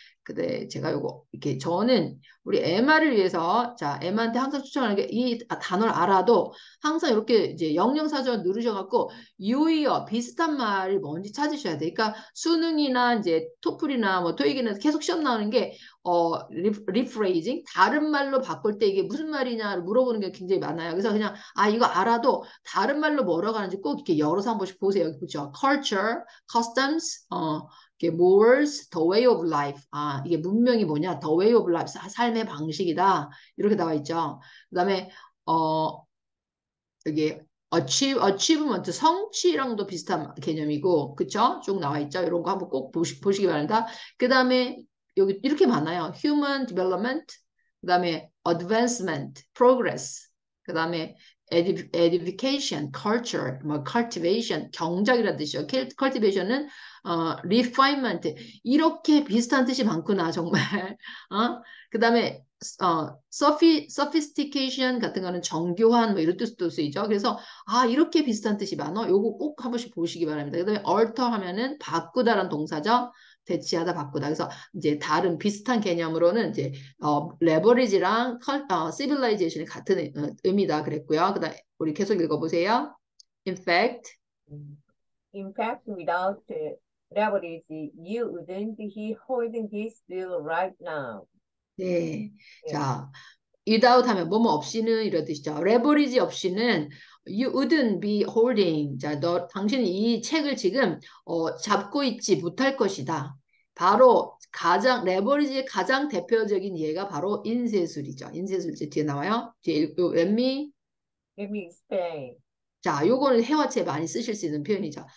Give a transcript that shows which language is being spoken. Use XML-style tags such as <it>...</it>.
<ko>근데 제가 요거 이렇게 저는 우리 MR을 위해서 자 M한테 항상 추천하는 게이 단어를 알아도 항상 이렇게 이제 영영사전 누르셔갖고 유의어 비슷한 말이 뭔지 찾으셔야 돼. 그러니까 수능이나 이제 토플이나 뭐 토익이나 계속 시험 나오는 게어 리프레이징 다른 말로 바꿀 때 이게 무슨 말이냐를 물어보는 게 굉장히 많아요. 그래서 그냥 아 이거 알아도 다른 말로 뭐라고 하는지 꼭 이렇게 열어서 한 번씩 보세요. 그렇죠?</ko> <en>Culture, customs, Morals, the way of life.</en> <ko>아, 이게 문명이 뭐냐?</ko> <en>The way of life.</en> <ko>삶의 방식이다. 이렇게 나와 있죠. 그 다음에, 여기, achievement, 성취랑도 비슷한 개념이고, 그쵸? 쭉 나와 있죠. 이런 거 한번 꼭 보시기 바랍니다. 그 다음에, 여기 이렇게 많아요.</ko> <en>Human development,</en> <ko>그 다음에</ko> <en>advancement, progress, 그 다음에 edification, culture, 뭐 cultivation,</en> <ko>경작이라는 뜻이죠. cultivation은 refinement 이렇게 비슷한 뜻이 많구나 정말. 그다음에 sophistication 같은 거는 정교한 뭐 이런 뜻도 쓰이죠. 그래서 아 이렇게 비슷한 뜻이 많아. 요거 꼭 한번씩 보시기 바랍니다. 그다음에 alter 하면은 바꾸다란 동사죠. 대치하다 바꾸다. 그래서 이제 다른 비슷한 개념으로는 이제 leverage랑 civilization이 같은 의미다 그랬고요. 그다음 우리 계속 읽어보세요.</ko> <en>In fact. In fact, without leverage, you wouldn't be holding this bill right now.</en> <ko>네. 자, without 하면 뭐뭐 없이는 이런 뜻이죠.</ko> <en>leverage</en> <ko>없이는</ko> <en>you wouldn't be holding.</en> <ko>자, 너 당신이 이 책을 지금 잡고 있지 못할 것이다. 바로 가장 레버리지의 가장 대표적인 예가 바로 인쇄술이죠. 인쇄술 이제 뒤에 나와요. 뒤에 읽고</ko> <en>let me. Let me explain.</en> <ko>자, 요거는 회화체 많이 쓰실 수 있는 표현이죠.</ko>